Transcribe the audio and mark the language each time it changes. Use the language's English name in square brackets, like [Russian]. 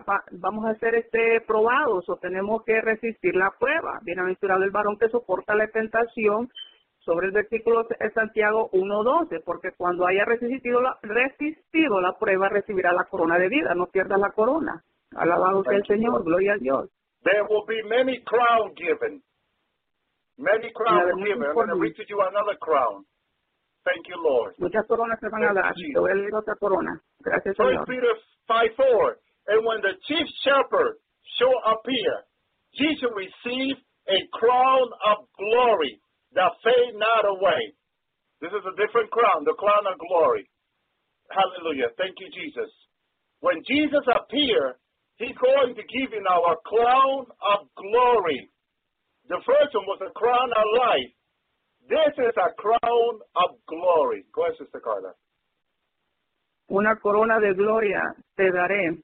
[Spanish] Vamos a ser probados o tenemos que resistir la prueba. Bienaventurado el varón que soporta la tentación, sobre el versículo de Santiago 1:12, porque cuando haya resistido la prueba, recibirá la corona de vida. No pierdas la corona. Alabado sea el Señor. Gloria a Dios. [English] There will be many crowns given. Many crowns given. I'm going to read to you another crown. Thank you, Lord. [Spanish] Muchas coronas se van a dar. Te voy a leer otra corona. Gracias, Señor. [English] 1 Peter 5:4. And when the chief shepherd shall appear, he shall receive a crown of glory that fade not away. This is a different crown, the crown of glory. Hallelujah. Thank you, Jesus. When Jesus appears, he's going to give you now a crown of glory. The first one was a crown of life. This is a crown of glory. Go ahead, Sister Carla. [Spanish] Una corona de gloria te daré.